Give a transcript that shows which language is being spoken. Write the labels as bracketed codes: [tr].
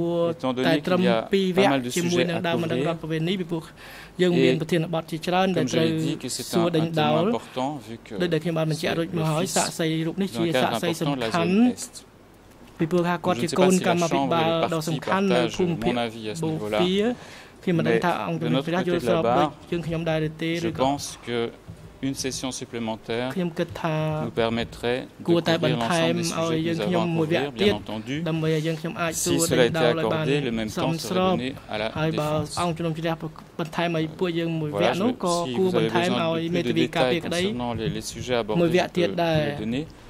[fr] Étant donné qu'il y a pas mal de sujets à couvrir, et comme je l'ai dit que c'est un témoin important vu que c'est le fils d'un cadre important de la zone Est. [km] ពីព្រោះថាគាត់ជាកូនកម្មាភិបាលដ៏សំខាន់នៅភូមិភាគអាស៊ីវ៉ាឡាខ្ញុំមិនដឹងថាអង្គជំនុំជម្រះយល់ស្របដូចយើងខ្ញុំដែរឬទេ ឬក៏ខ្ញុំគិតថា [fr] Une session supplémentaire nous permettrait de couvrir l'ensemble des sujets que nous avons à couvrir, bien entendu. Si cela a été accordé, le même temps serait donné à la défense. Voilà, si vous avez besoin de plus de détails concernant les sujets abordés, je peux vous les donner.